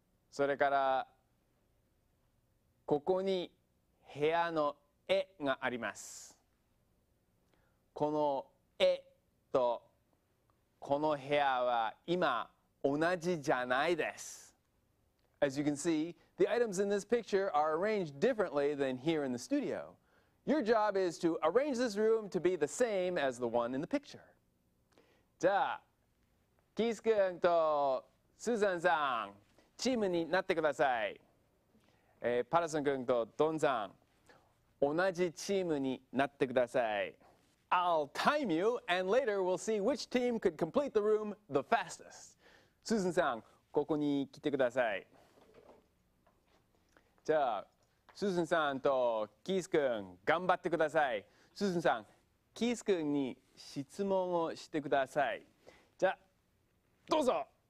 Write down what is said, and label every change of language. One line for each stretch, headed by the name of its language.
Japanese: それから、ここに部屋の絵があります。この絵とこの部屋は今同じじゃないです。
English: As you can see, the items in this picture are arranged differently than here in the studio. Your job is to arrange this room to be the same as the one in the picture.
Japanese: じゃあ、キース君とスーザンさん、チームになってください。パラソン君とドンさん、同じチームになってください。
English: I'll time you, and later we'll see which team could complete the room the fastest.
Japanese: スーザンさん、ここに来てください。じゃあ、スーザンさんとキース君、頑張ってください。スーザンさん、キース君に質問をしてください。じゃあ、どうぞ。